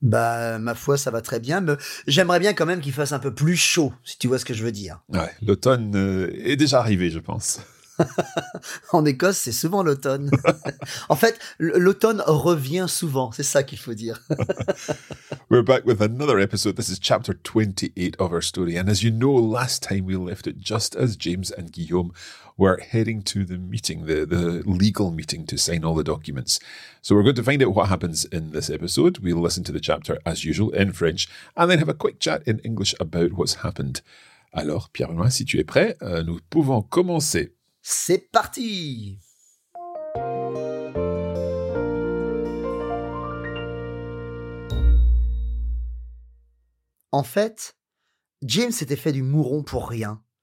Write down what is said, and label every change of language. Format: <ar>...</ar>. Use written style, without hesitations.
<fr>Bah, ma foi, ça va très bien, mais j'aimerais bien quand même qu'il fasse un peu plus chaud, si tu vois ce que je veux dire. Ouais, l'automne est déjà arrivé, je pense. En Écosse, c'est souvent l'automne. En fait, l'automne revient souvent, c'est ça qu'il faut dire.</fr> <en>We're back with another episode. This is chapter 28 of our story. And as you know, last time we left it just as James and Guillaume were heading to the meeting, the legal meeting to sign all the documents. So we're going to find out what happens in this episode. We'll listen to the chapter as usual in French and then have a quick chat in English about what's happened.</en> <fr>Alors, Pierre-Benoît, si tu es prêt, nous pouvons commencer. C'est parti! En fait, James s'était fait du mouron pour rien.</fr>